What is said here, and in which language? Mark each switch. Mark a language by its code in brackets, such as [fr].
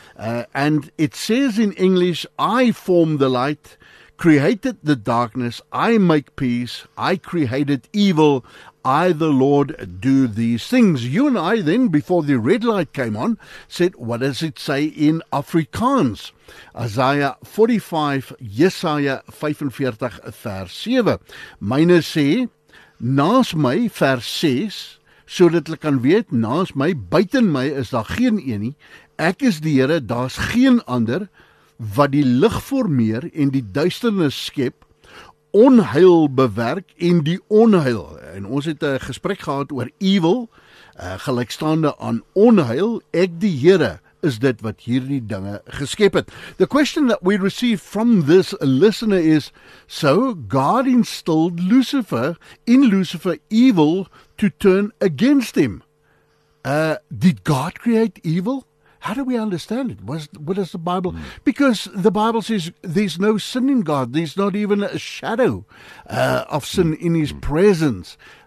[en] And it says in English, I form the light, created the darkness, I make peace, I created evil, I, the Lord, do these things. You and I then, before the red light came on, said, what does it say in Afrikaans? Isaiah 45, Jesaja 45, vers 7. [af] Myne sê, naas my, vers 6, so dat hulle kan weet, naas my, buiten my, is daar geen eenie. Ek is die Here, daar's geen ander, wat die lig formeer en die duisternis skep, onheil bewerk en die onheil. En ons het 'n gesprek gehad oor evil, gelykstaande aan onheil. Ek die Here is dit wat hierdie dinge geskep het. [en] The question that we received from this listener is, so God instilled in Lucifer evil to turn against him. Did God create evil? How do we understand it? What is the Bible? Mm. Because the Bible says there's no sin in God. There's not even a shadow of sin in his presence.